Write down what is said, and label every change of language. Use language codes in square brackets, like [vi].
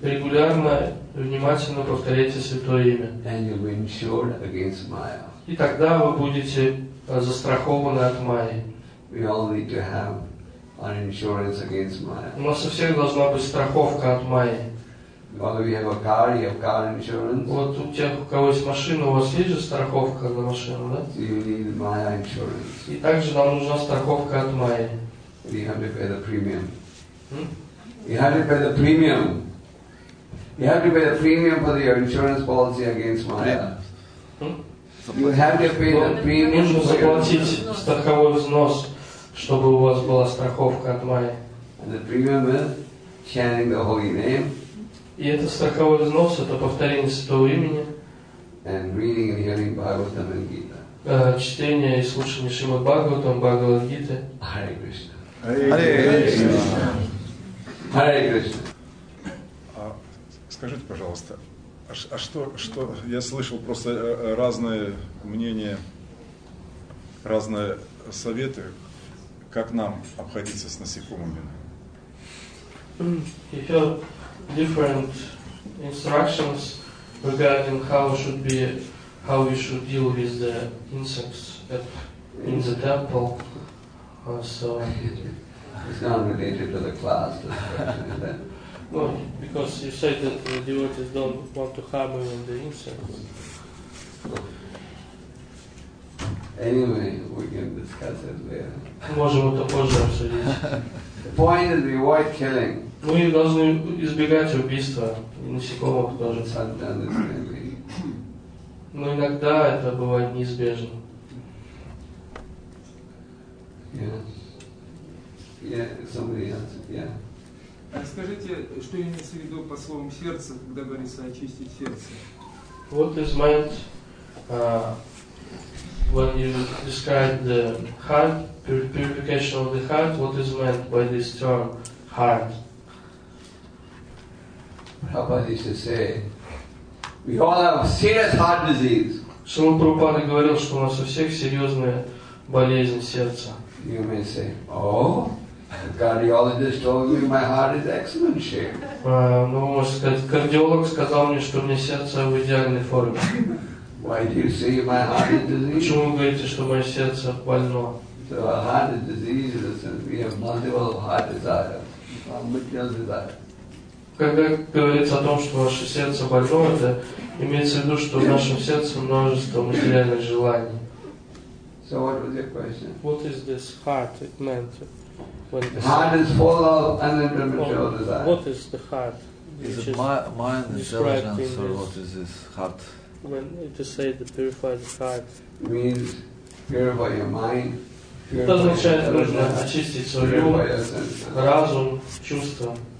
[ru] Регулярно внимательно повторяйте святое имя. [en] And you'll be insured against Maya. [ru] И тогда вы будете застрахованы от Майи. [en] We all need to have an insurance against Maya. [ru] У нас у всех должна быть страховка от Майи. [en] Whether you have a car, you have car insurance. [ru] Вот у тех, у кого есть машина, у вас есть же страховка на машину, да? [en] So you need Maya insurance. [ru] И также нам нужна страховка от Майи. [en] You have to pay the premium. You have to pay the premium. You have to pay the premium for your insurance policy against Maya. You have to pay the premium. [ru] Нужно заплатить страховой взнос, чтобы у вас была страховка от Майи. [en] And the premium is chanting the holy name. [ru] И это страховой взнос, это повторение святого имени. [en] And reading and hearing Bhagavatam and Gita. [ru] Чтение и слушание Шримад Бхагаватам, Бхагавад Гиты. [sa] Hare Krishna. Hare Krishna. Hare Krishna. [ru] Скажите, пожалуйста. А что, что я слышал просто разные мнения, разные советы, как нам обходиться с насекомыми? [en] You hear different instructions regarding how we should deal with the insects in the temple. So it's not related to the class. Well, because you say that the devotees don't want to harm even the insects. Anyway, we can discuss it later. [ru] Можем это позже обсудить. [en] The point is we avoid killing. [ru] Мы должны избегать убийства и насекомых тоже. [en] Sometimes it can be. [ru] Но иногда это бывает неизбежно. [en] Yes. Yeah. Yeah. Somebody else. Yeah. [ru] А скажите, что имеется в виду по словам сердце, когда говорится очистить сердце? [en] What is meant when you describe the heart, purification of the heart, what is meant by this term, heart? Prabhupada used to say, we all have serious heart disease. [ru] Шрила Прабхупада говорил, что у нас у всех серьезная болезнь сердца. [en] You may say, oh, the cardiologist told me my heart is excellent shape. [ru] Ну, можно сказать, кардиолог сказал мне, что у меня сердце в идеальной форме. [en] Why do you say my heart is diseased? [ru] Почему вы говорите, что мое сердце больно? [en] So a heart is diseased, we have multiple heart desires, material desires. [ru] Когда говорится о том, что ваше сердце больно, это имеется в виду, что в нашем сердце множество материальных желаний. [en] So what was your question? What is this heart? It meant when the heart is full of unintermittent desires. What is the heart? Is it mind intelligence or what is this heart? When it is said to purify the heart. Means purify your mind. [ru] It означает, нужно очистить свой ум, разум, чувства.